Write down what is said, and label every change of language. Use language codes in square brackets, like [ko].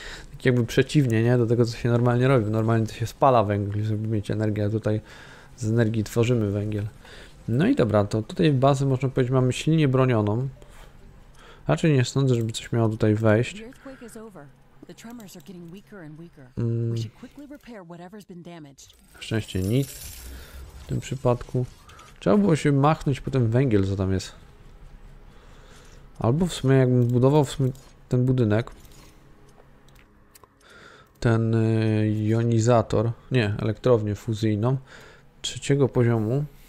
[pl] Tak jakby przeciwnie, nie? Do tego, co się normalnie robi. Normalnie to się spala węgiel, żeby mieć energię, a tutaj z energii tworzymy węgiel. No i dobra, to tutaj w bazy można powiedzieć mamy silnie bronioną. Raczej nie sądzę, żeby coś miało tutaj wejść. [en] The tremors are getting weaker and weaker. We should quickly repair whatever's been damaged. [pl] Na szczęście nic w tym przypadku. Trzeba było się machnąć po ten węgiel, co tam jest. Albo w sumie jakbym budował w sumie ten budynek. Ten jonizator, nie, elektrownię fuzyjną trzeciego poziomu.